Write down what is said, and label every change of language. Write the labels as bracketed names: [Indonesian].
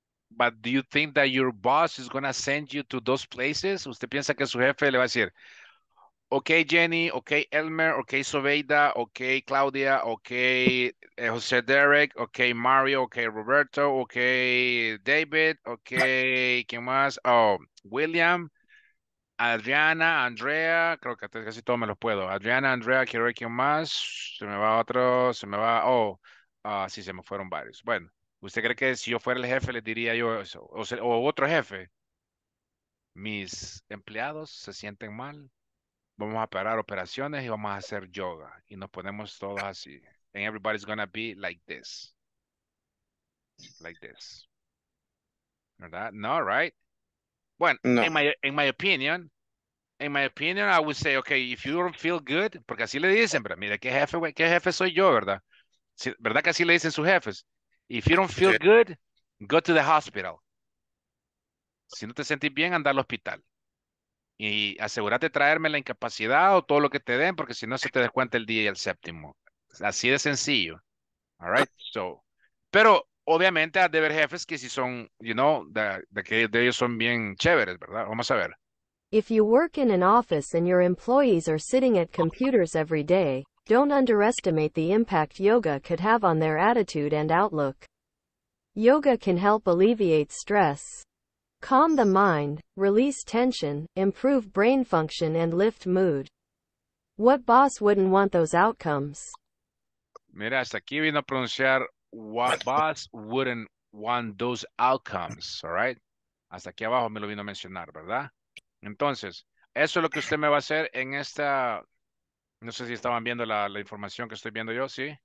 [English] But do you think that your boss is going to send you to those places? [Spanish] ¿Usted piensa que su jefe le va a decir, okay, Jenny, okay, Elmer, okay, Sobeida, okay, Claudia, okay, Jose Derek, okay, Mario, okay, Roberto, okay, David, okay, ¿quién más? Oh, William, Adriana, Andrea, creo que casi todos me los puedo. Adriana, Andrea, quiero ver quién más. Se me va otro, se me va, sí, se me fueron varios. Bueno, ¿usted cree que si yo fuera el jefe le diría yo eso? O otro jefe. Mis empleados se sienten mal. Vamos a parar operaciones y vamos a hacer yoga. Y nos ponemos todos así. [English] And everybody's gonna be like this. Like this. [Spanish] ¿Verdad? No, right? Bueno, no. [English] In my opinion, I would say, okay, if you don't feel good, [Spanish] porque así le dicen, pero mira, ¿qué jefe soy yo, ¿verdad? Si, ¿verdad que así le dicen sus jefes? [English] If you don't feel good, go to the hospital. [Spanish] Si no te sentís bien, anda al hospital. Y asegúrate de traerme la incapacidad o todo lo que te den, porque si no se te descuenta el día y el séptimo. Así de sencillo. [English] All right? [Spanish] So, pero obviamente ha de haber jefes que si son, you know, de que de ellos son bien chéveres, ¿verdad? Vamos a ver. [English] If you work in an office and your employees are sitting at computers every day, don't underestimate the impact yoga could have on their attitude and outlook. Yoga can help alleviate stress. Calm the mind, release tension, improve brain function, and lift mood. What boss wouldn't want those outcomes? [Spanish] Mira, hasta aquí vino a pronunciar, [English] what boss wouldn't want those outcomes, all right? [Spanish] Hasta aquí abajo me lo vino a mencionar, ¿verdad? Entonces, eso es lo que usted me va a hacer en esta, no sé si estaban viendo la información que estoy viendo yo, ¿sí?